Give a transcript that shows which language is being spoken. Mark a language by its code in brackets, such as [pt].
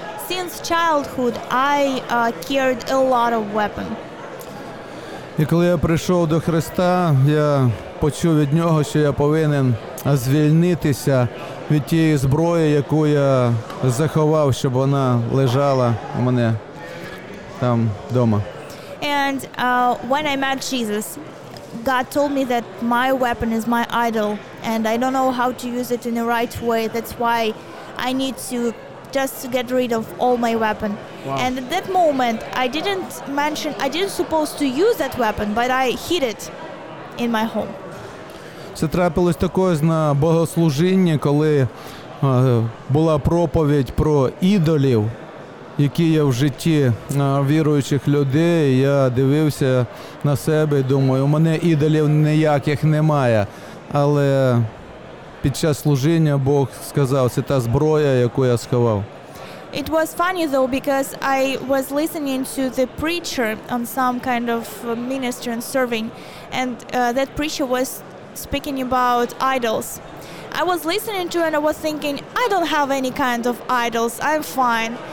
[en] Since childhood I carried a lot of weapon. [uk] І коли я прийшов до Христа, я почув від нього, що я повинен звільнитися від тієї зброї, яку я заховав, щоб вона лежала у мене там вдома. [en] And when I met Jesus, God told me that my weapon is my idol and I don't know how to use it in the right way. That's why I need to just get rid of all my weapon. Wow. And at that moment, I didn't supposed to use that weapon, but I hid it in my home. [uk] Це трапилось також на богослужінні, коли була проповідь про ідолів, які є в житті віруючих людей. Я дивився на себе і думаю, у мене ідолів ніяких немає. Але під час служіння Бог сказав, це та зброя, яку я сховав. [en] It was funny though, because I was listening to the preacher on some kind of ministry and serving, and that preacher was speaking about idols. I was listening to and I was thinking, I don't have any kind of idols, I'm fine.